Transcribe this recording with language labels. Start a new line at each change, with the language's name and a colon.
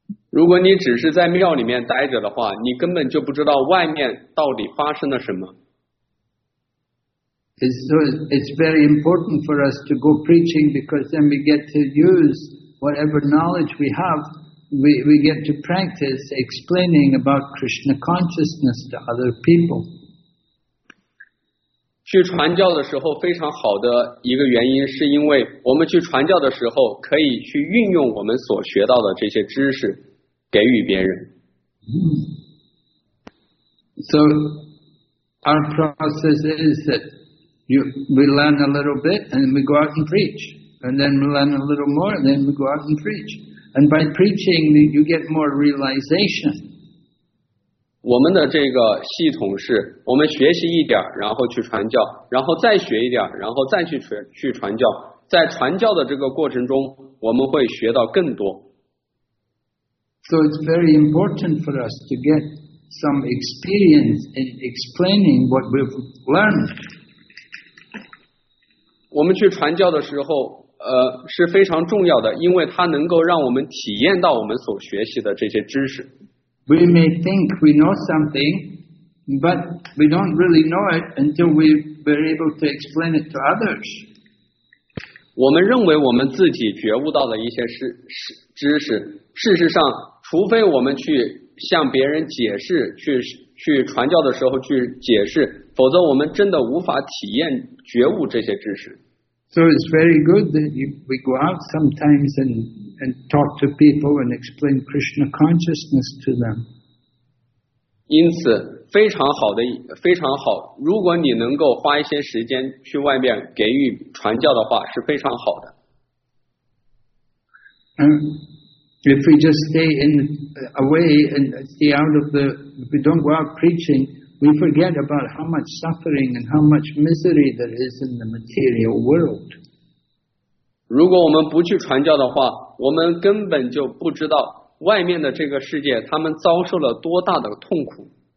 Chinese: 如果你只是在庙里面待着的话，你根本就不知道外面到底发生了什么。
English: It's very important for us to go preaching because then we get to use whatever knowledge we have, we get to practice explaining about Krishna consciousness to other people.
Chinese: 去传教的时候非常好的一个原因是因为我们去传教的时候可以去运用我们所学到的这些知识给予别人。
English: So our process is that we learn a little bit and we go out and preach, and then we learn a little more and then we go out and preach, and by preaching you get more realization.
Chinese: 我们的这个系统是我们学习一点然后去传教，然后再学一点然后再去传教，在传教的这个过程中我们会学到更多。
English: So it's very important for us to get some experience in explaining what we've learned.
Chinese: 我们去传教的时候是非常重要的，因为它能够让我们体验到我们所学习的这些知识。
English: We may think we know something, but we don't really know it until we're able to explain it to others.
Chinese: 我们认为我们自己觉悟到了一些知识，事实上，除非我们去向别人解释，去传教的时候去解释，否则我们真的无法体验觉悟这些知识。
English: So it's very good that we go out sometimes and talk to people and explain Krishna consciousness to them.
Chinese: 因此非常好的非常好，如果你能够花一些时间去外面给予传教的话是非常好的。
English: And if we just stay in away and stay out of the, if we don't go out preaching, we forget about how much suffering and how much misery there is in the material world.
Chinese: 如果我们不去传教的话，我们根本就不知道外面的这个世界他们遭受了多大的痛苦。